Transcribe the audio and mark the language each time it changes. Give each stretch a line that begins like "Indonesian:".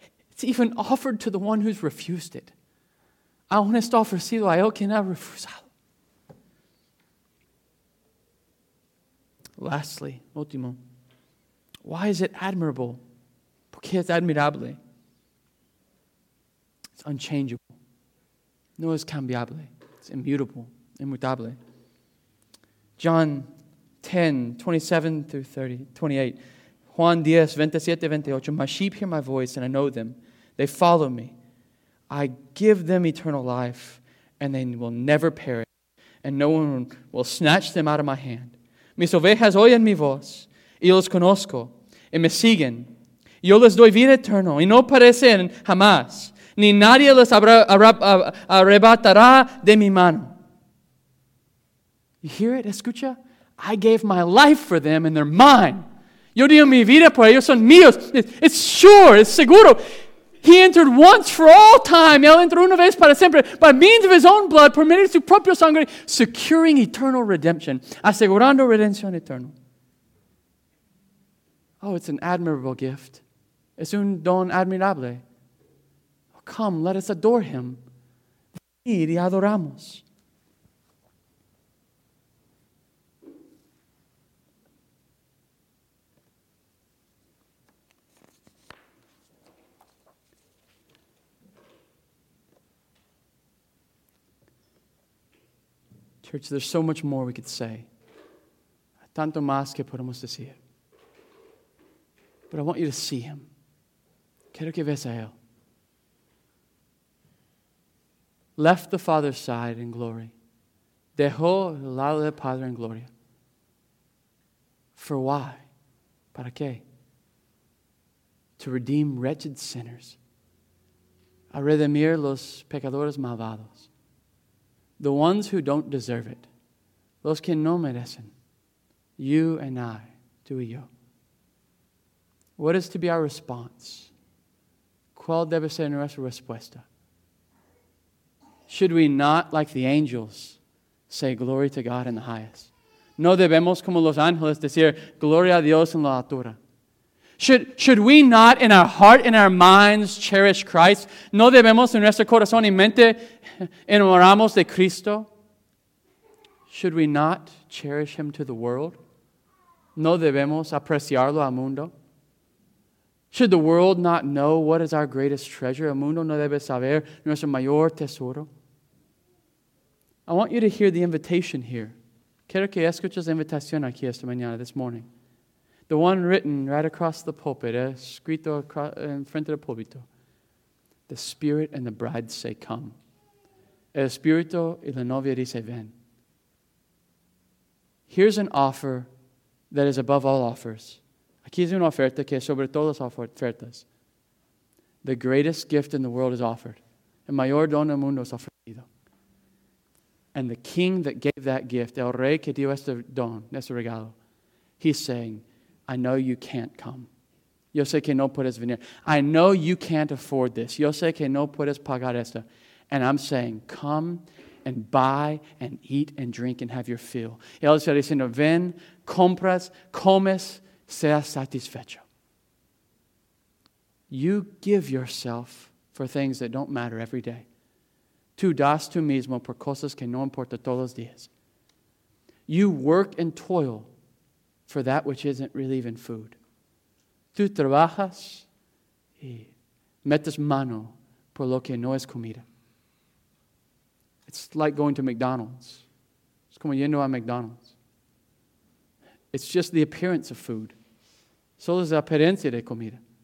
English: It's even offered to the one who's refused it.
Spanish: Aún está ofrecido a él que no ha refusado.
English: Lastly, último. Why is it admirable?
Spanish: Porque es admirable.
English: It's unchangeable.
Spanish: No es cambiable.
English: It's immutable. Immutable. John 10:27-28. Juan 10:27-28. My sheep hear my voice, and I know them. They follow me. I give them eternal life, and they will never perish, and no one will snatch them out of my hand.
Spanish: Mis ovejas oyen mi voz, y los conozco, y me siguen, yo les doy vida eterna y no perecerán jamás, ni nadie les arrebatará de mi mano.
English: You hear it?
Spanish: Escucha.
English: I gave my life for them and they're mine.
Spanish: Yo di mi vida por ellos, son míos.
English: It's sure, it's seguro. He entered once for all time.
Spanish: Él entró una vez para siempre.
English: By means of his own blood,
Spanish: por medio de su propia sangre,
English: securing eternal redemption.
Spanish: Asegurando redención eterna.
English: Oh, it's an admirable gift.
Spanish: Es un don admirable.
English: Oh, come, let us adore him.
Spanish: Y adoramos.
English: Church, there's so much more we could say.
Spanish: Tanto más que podemos decir.
English: But I want you to see him.
Spanish: Quiero que veas a él.
English: Left the Father's side in glory.
Spanish: Dejó el lado del Padre en gloria.
English: For why?
Spanish: Para qué?
English: To redeem wretched sinners.
Spanish: A redimir los pecadores malvados.
English: The ones who don't deserve it.
Spanish: Los que no merecen.
English: You and I.
Spanish: Tú y yo.
English: What is to be our response?
Spanish: ¿Cuál debe ser nuestra respuesta?
English: Should we not, like the angels, say glory to God in the highest?
Spanish: ¿No debemos, como los ángeles, decir gloria a Dios en la altura?
English: Should we not, in our heart, in our minds, cherish Christ?
Spanish: ¿No debemos, en nuestro corazón y mente, enamoramos de Cristo?
English: Should we not cherish him to the world?
Spanish: ¿No debemos apreciarlo al mundo?
English: Should the world not know what is our greatest treasure?
Spanish: El mundo no debe saber nuestro mayor tesoro.
English: I want you to hear the invitation here.
Spanish: Quiero que escuches la invitación aquí esta mañana,
English: this morning. The one written right across the pulpit,
Spanish: escrito en frente del pulpito.
English: The Spirit and the Bride say, come.
Spanish: El Espíritu y la novia dice, ven.
English: Here's an offer that is above all offers.
Spanish: Aquí es una oferta que es sobre todas las ofertas.
English: The greatest gift in the world is offered.
Spanish: El mayor don del mundo es ofrecido.
English: And the king that gave that gift,
Spanish: el rey que dio este don, este regalo,
English: he's saying, I know you can't come.
Spanish: Yo sé que no puedes venir.
English: I know you can't afford this.
Spanish: Yo sé que no puedes pagar esto.
English: And I'm saying, come and buy and eat and drink and have your fill.
Spanish: Y él está diciendo, ven, compras, comes, seas satisfecho.
English: You give yourself for things that don't matter every day.
Spanish: Tú das tú mismo por cosas que no importa todos los días.
English: You work and toil for that which isn't really even food.
Spanish: Tú trabajas y metes mano por lo que no es comida.
English: It's like going to McDonald's.
Spanish: Es como yendo a McDonald's.
English: It's just the appearance of food.
Spanish: Solo es la apariencia de comida.